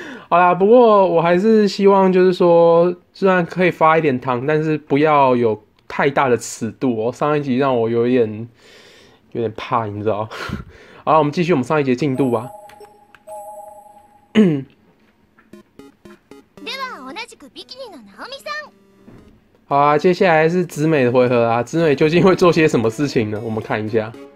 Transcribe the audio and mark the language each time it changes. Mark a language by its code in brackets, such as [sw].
[zh] 好啦，不过我还是希望就是说，虽然可以发一点糖，但是不要有太大的尺度哦。上一集让我有点怕，你知道？好啦，我们继续我们上一集的进度吧。 [ja] では同じくビキニのナオミさん。 [zh] 好啊，接下来是紫美的回合啊，紫美究竟会做些什么事情呢？我们看一下。